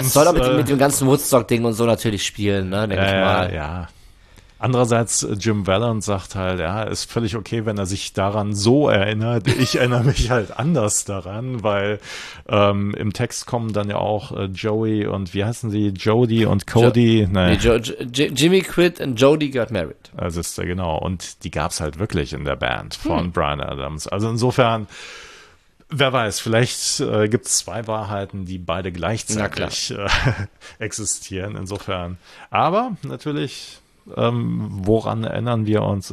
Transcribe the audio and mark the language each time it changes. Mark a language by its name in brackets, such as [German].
[German] es soll doch mit dem ganzen Woodstock-Ding und so natürlich spielen, ne, denke ich mal. Ja, Andererseits, Jim Vallance sagt halt, ja, ist völlig okay, wenn er sich daran so erinnert. Ich erinnere mich halt anders daran, weil im Text kommen dann ja auch Joey und wie heißen sie? Jody und Cody? [English] Jimmy quit and Jody got married. [German] Also ist ja genau. Und die gab es halt wirklich in der Band von Bryan Adams. Also insofern, wer weiß, vielleicht gibt es zwei Wahrheiten, die beide gleichzeitig existieren. Insofern. Aber natürlich. Woran erinnern wir uns?